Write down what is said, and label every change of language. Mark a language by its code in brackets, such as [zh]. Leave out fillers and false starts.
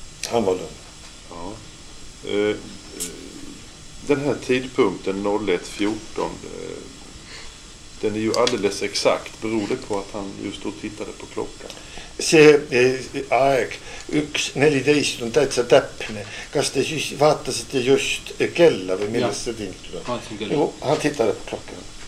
[sv] Han var den. Ja. Den här tidpunkten 01:14, den är ju alldeles exakt. Beror det på att han just då tittade på klockan? [et] Se aeg 1:14 on täitsa täpne. Kas te siis vaatasite just kella või millest see tingt? [sv] Jo, han tittade på klockan.